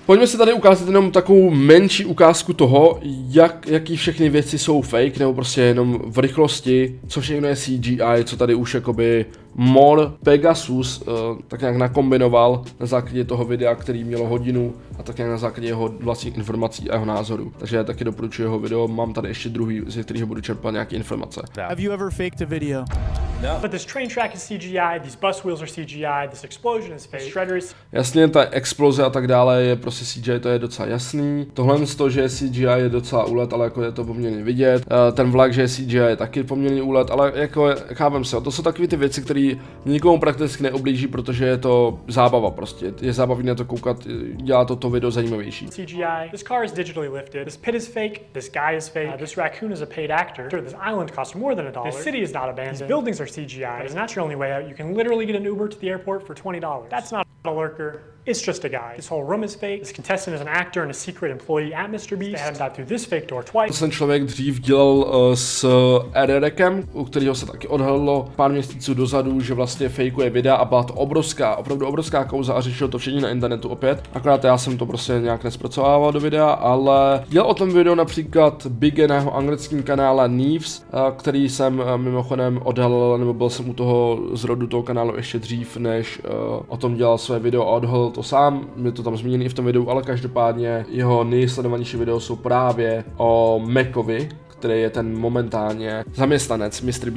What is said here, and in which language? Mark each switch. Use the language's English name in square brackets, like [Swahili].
[Czech] Pojďme si tady ukázat jenom takovou menší ukázku toho, jaký všechny věci jsou fake, nebo prostě jenom v rychlosti, co všechno je CGI, co tady už jakoby Mor Pegasus tak nějak nakombinoval na základě toho videa, který mělo hodinu, a tak nějak na základě jeho vlastních informací a jeho názoru. Takže já taky doporučuji jeho video, mám tady ještě druhý, z kterého budu čerpat nějaké informace. [English] Have you ever faked a video? But this train track is CGI, these bus wheels are CGI, this explosion is fake. Shredder is... [Czech] Jasně, ta exploze a tak dále je prostě CGI, to je docela jasný. Tohle z toho, že je CGI, je docela úlet, ale jako je to poměrně vidět. Ten vlak, že je CGI, je taky poměrně úlet, ale jako chápem se, to jsou takové ty věci, které nikomu prakticky neublíží, protože je to zábava prostě. Je zábavný na to koukat, dělá to video zajímavější. [English] CGI. This car is digitally lifted. This pit is fake. This guy is fake. This raccoon is a paid actor. This island costs more than a dollar. This city is not abandoned. These buildings are CGI. It's not your only way out. You can literally get an Uber to the airport for $20. That's not a lurker. It's just a guy. This whole room is fake. This contestant is an actor and a secret employee at Mr. Beast. They haven't got through this fake door twice. [Czech] To jsem člověk dřív dělal s Ererekem, u kterého se taky odhalilo pár měsíců dozadu, že vlastně fejkuje videa a byla to obrovská, opravdu obrovská kauza a řešil to všechny na internetu opět. Akorát já jsem to prostě nějak nespracovával do videa, ale dělal o tom video například Bigge na jeho anglickém kanále Neves, který jsem mimochodem odhalil, nebo byl jsem u toho zrodu toho kanálu ještě dřív, než o tom dělal své video a odhalil to sám, je to tam zmíněný v tom videu, ale každopádně jeho nejsledovanější video jsou právě o Mekovi, který je ten momentálně zaměstnanec Mr.